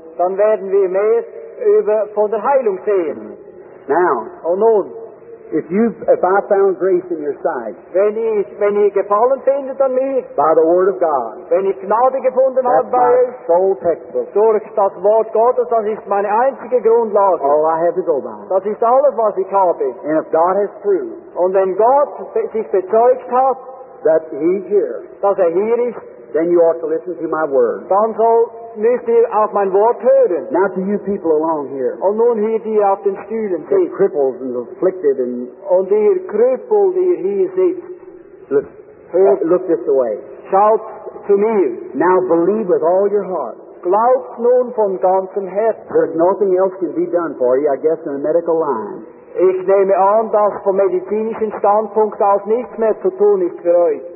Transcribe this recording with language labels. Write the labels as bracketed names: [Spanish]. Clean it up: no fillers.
[German] Dann werden wir mehr von der Heilung sehen. [English] Now, [German] oh, nun, [English] if I found grace in your sight, [German] wenn ihr gefallen findet an mir, [English] by the Word of God, [German] wenn ich Gnade gefunden habe bei euch, [English] sole textbook, [German] durch das Wort Gottes, das ist meine einzige Grundlage. [English] All I have to go by. [German] Das ist alles, was ich habe. [English] And if God has proved, [German] und wenn Gott sich bezeugt hat, [English] that He's here, [German] dass hier ist, [English] then you ought to listen to my word. [German] Dann müsst ihr auf mein Wort hören. [English] Now to you people along here. [German] Und nun hier die auf den Stühlen sitzt. [English] The cripples and the afflicted and. [German] Und ihr Krüppel, die hier sitzt. [English] Look this way. [German] Schaut zu mir. [English] Now believe with all your heart. [German] Glaubt nun von ganzem Herzen. [English] There's nothing else can be done for you, I guess, in a medical line. [German] Ich nehme an, dass vom medizinischen Standpunkt aus nichts mehr zu tun ist für euch.